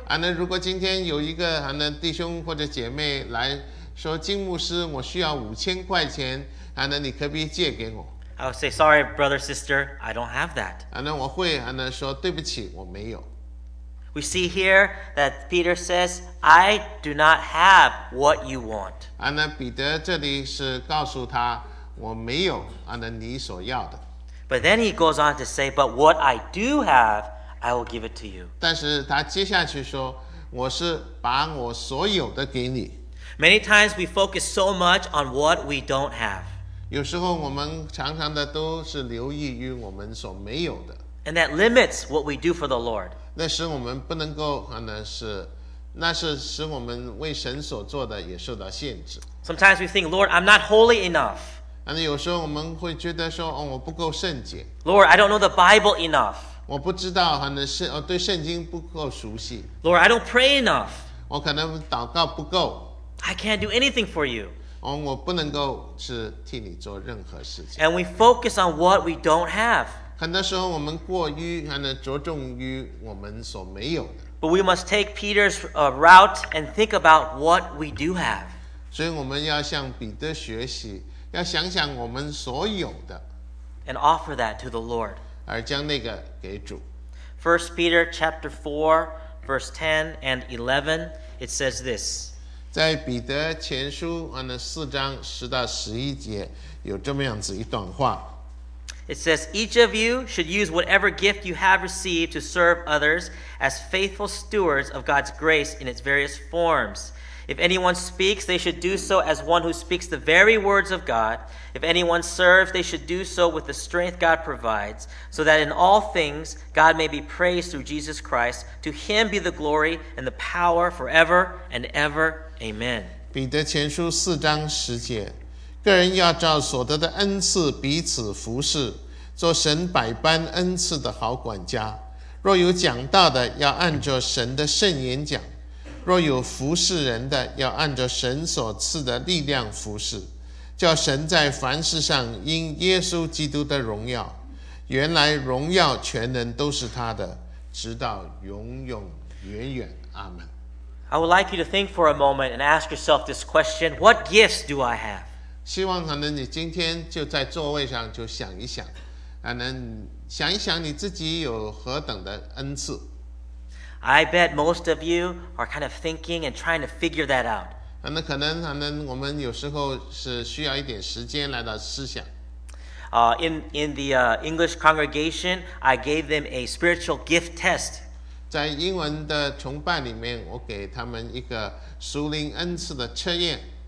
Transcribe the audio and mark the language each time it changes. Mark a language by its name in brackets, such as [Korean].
[Chinese] 那如果今天有一个弟兄或者姐妹来说，金牧师，我需要5000块钱，那你可不可以借给我？ [English] I would say, Sorry, brother, sister, I don't have that. [Chinese] 那我会说对不起，我没有。 [English] We see here that Peter says, I do not have what you want. [Chinese] 那彼得这里是告诉他，我没有你所要的。 [English] But then he goes on to say, but what I do have, I will give it to you. [Chinese] 但是他接下去说，我是把我所有的给你。 [English] Many times we focus so much on what we don't have. [Chinese] 有时候我们常常的都是留意于我们所没有的。 [English] And that limits what we do for the Lord. [Chinese] 那使我们不能够那是使我们为神所做的也受到限制。 [English] Sometimes we think, Lord, I'm not holy enough. [Chinese] 那有时候我们会觉得说，哦，我不够圣洁。 [English] Lord, I don't know the Bible enough. [Chinese] 我不知道对圣经不够熟悉。 [English] Lord, I don't pray enough. [Chinese] 我可能祷告不够。 [English] I can't do anything for you. [Chinese] 我不能够是替你做任何事情。 [English] And we focus on what we don't have. [Chinese] 很多时候我们过于着重于我们所没有的。 [English] But we must take Peter's route and think about what we do have. [Chinese] 所以我们要向彼得学习，要想想我们所有的。 [English] And offer that to the Lord. [Chinese] 而将那个给主。 [English] First Peter chapter 4, verse 10 and 11, it says this. [Chinese] 在彼得前书四章十到十一节有这么样子一段话。 [English] It says, each of you should use whatever gift you have received to serve others as faithful stewards of God's grace in its various forms. If anyone speaks, they should do so as one who speaks the very words of God. If anyone serves, they should do so with the strength God provides, so that in all things God may be praised through Jesus Christ. To him be the glory and the power forever and ever. Amen. [Chinese] 彼得前书四章十节。个人要照所得的恩赐彼此服侍，做神百般恩赐的好管家。若有讲道的，要按着神的圣言讲；若有服侍人的，要按着神所赐的力量服侍，叫神在凡事上因耶稣基督的荣耀。原来荣耀全能都是他的，直到永永远远。阿们。 [English] I would like you to think for a moment and ask yourself this question: What gifts do I have? [Chinese] 希望你今天就在座位上就想一想，想一想你自己有何等的恩赐。 [English] I bet most of you are kind of thinking and trying to figure that out. [Chinese] 那可能可能我们有时候是需要一点时间来到思想。 [English] In the English congregation, I gave them a spiritual gift test. [Chinese] 在英文的崇拜里面，我给他们一个属灵恩赐的测验。